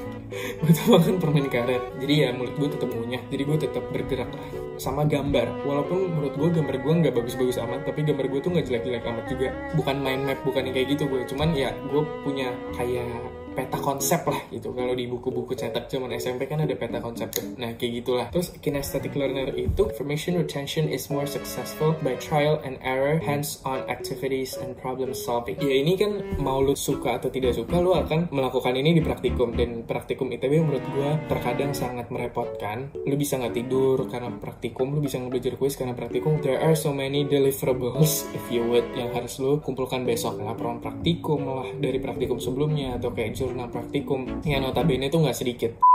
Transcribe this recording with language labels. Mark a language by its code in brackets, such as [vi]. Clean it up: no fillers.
[id] Gue tuh makan permen karet. Jadi ya mulut gue tetap ngunyah, jadi gue tetap bergerak lah. Sama gambar, walaupun menurut gue gambar gue gak bagus-bagus amat, tapi gambar gue tuh gak jelek-jelek amat juga. Bukan mind map, bukan yang kayak gitu gue. Cuman ya gue punya kayak peta konsep lah gitu. Kalau di buku-buku cetak zaman SMP kan ada peta konsep tuh. Nah kayak gitulah. [en] Terus kinesthetic learner itu, information retention is more successful by trial and error, hands on activities and problem solving. [id] Ya ini kan mau lu suka atau tidak suka, lu akan melakukan ini di praktikum. Dan praktikum ITB menurut gua terkadang sangat merepotkan. Lu bisa gak tidur karena praktikum, lu bisa ngebelajar kuis karena praktikum. [en] There are so many deliverables, if you would, [id] yang harus lu kumpulkan besok. Laporan praktikum lah dari praktikum sebelumnya, atau kayak jurnal praktikum yang notabene tuh gak sedikit.